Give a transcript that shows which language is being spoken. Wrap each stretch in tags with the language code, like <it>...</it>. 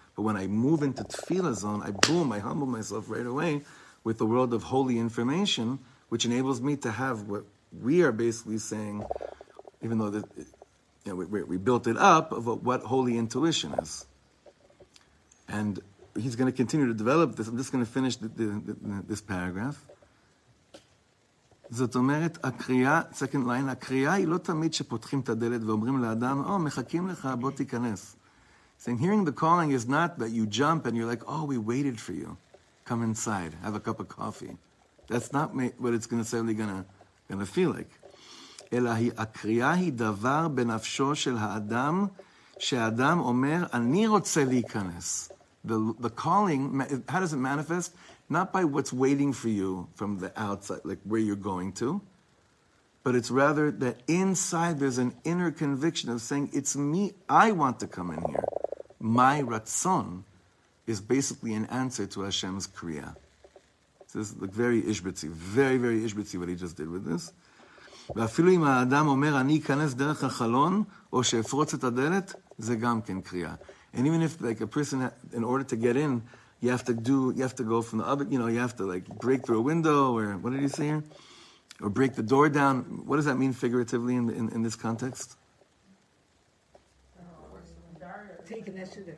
<en>But when I move into tefillah zone, I humble myself right away with the world of holy information, which enables me to have what we are basically saying, even though we built it up, of what holy intuition is. And he's going to continue to develop this. I'm just going to finish this paragraph.</en> <he>זאת אומרת, הקריאה,</he> <en>second line,</en> <he>הקריאה היא לא תמיד שפותחים את הדלת ואומרים לאדם, או, מחכים לך, בוא תיכנס.</he> <en>Saying, hearing the calling is not that you jump and you're like, oh, we waited for you. Come inside, have a cup of coffee. That's not what it's necessarily gonna feel like.</en> <he>אלא הקריאה היא דבר בנפשו של האדם, שהאדם אומר, אני רוצה להיכנס.</he> <en>The calling, how does it manifest? Not by what's waiting for you from the outside, like where you're going to, but it's rather that inside there's an inner conviction of saying, it's me, I want to come in here. My ratzon is basically an answer to Hashem's kriya. So this is like very ishbitzi, very, very ishbitzi what he just did with this.</en> <he>ואפילו אם האדם אומר, אני אכנס דרך החלון, או שאפרוץ את הדלת, זה גם כן קריאה.</he> <en>And even if like a person, in order to get in, you have to go from the other, you know, you have to like break through a window, or what did he say here? or break the door down. What does that mean figuratively in this context? Take initiative.</en>